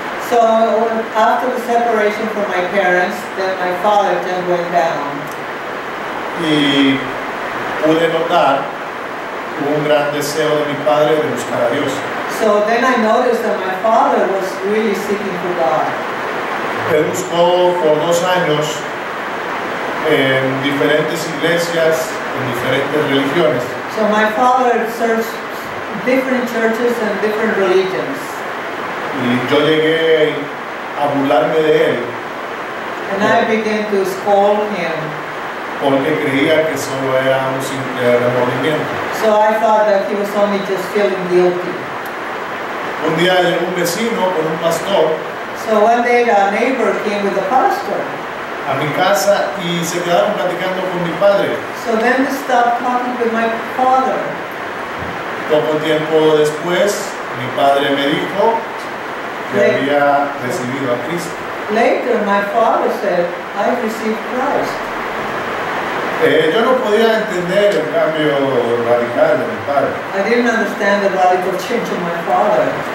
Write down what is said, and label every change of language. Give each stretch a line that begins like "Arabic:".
English: So after the separation from my parents, then my father just went down.
Spanish: Y pude notar un gran deseo de mi padre de buscar a Dios.
English: So then I noticed that my father was really seeking for God.
Spanish: Él buscó por dos años en diferentes iglesias, en diferentes religiones.
English: So my father searched different churches and different religions.
Spanish: Y yo llegué a burlarme de él.
English: And I began to scold him.
Spanish: Porque creía que solo era un simple remordimiento.
English: So I thought that he was only just feeling guilty.
Spanish: Un día llegó un vecino con un pastor.
English: So one day a neighbor came with a pastor.
Spanish: A mi casa y se quedaron platicando con mi padre.
English: So then they stopped talking with my father.
Spanish: Poco tiempo después, mi padre me dijo que había recibido a Cristo.
English: Later my father said, I received Christ.
Spanish: Yo no podía entender el cambio radical de mi padre.
English: I didn't understand the radical change of my father.